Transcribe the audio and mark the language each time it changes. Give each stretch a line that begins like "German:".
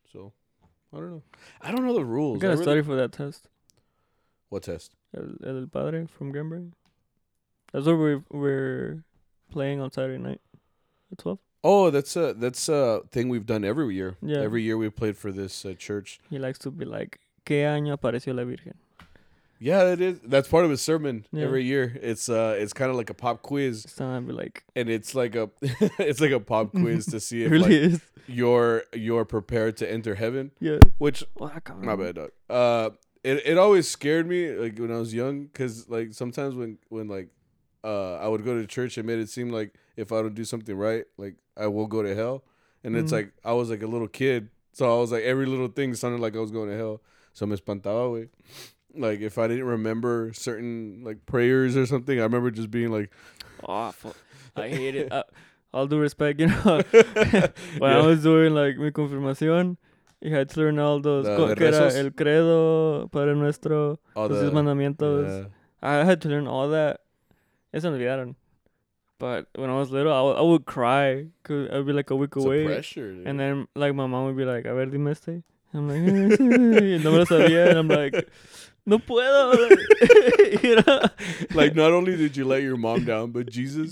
English: So I don't know. I don't know the rules. You gotta study for that test. What test? El Padre from Gambrin. That's what we're playing on Saturday night at 12. Oh, that's a thing we've done every year. Yeah. Every year we've played for this church. He likes to be like,
Spanish: ¿Qué año apareció la Virgen?
English: Yeah, it is. That's part of his sermon every year. It's kind of like a pop quiz. It's time to be like, and it's like a it's like a pop quiz to see if really, like, is. You're prepared to enter heaven. Yeah, which, well, my bad, dog. It always scared me, like, when I was young, because, like, sometimes when like I would go to church, it made it seem like if I don't do something right, like, I will go to hell. And it's like, I was like a little kid, so I was like, every little thing sounded like I was going to hell. So
Spanish: me espantaba, güey.
English: Like, if I didn't remember certain, like, prayers or something, I remember just being like, awful. I hate it. All due respect, you know. When I was doing, like,
Spanish: mi confirmación,
English: you had to learn all those.
Spanish: Que era el credo, Padre Nuestro, los mandamientos.
English: Yeah. I had to learn all that.
Spanish: Eso olvidaron.
English: But when I was little, I would cry. Cause I'd be like a week it's away. A pressure, dude. And then, like, my mom would be like,
Spanish: a ver, dime este.
English: I'm like,
Spanish: no me lo sabía.
English: And I'm like,
Spanish: no puedo.
English: You know? Like, not only did you let your mom down, but Jesus.